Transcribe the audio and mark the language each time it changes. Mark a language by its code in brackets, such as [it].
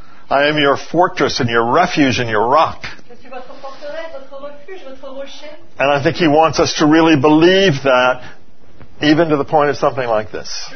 [en] I am your fortress and your refuge and your rock. [fr] Je suis votre forteresse, votre refuge, votre rocher. [en] And I think he wants us to really believe that, even to the point of something like this.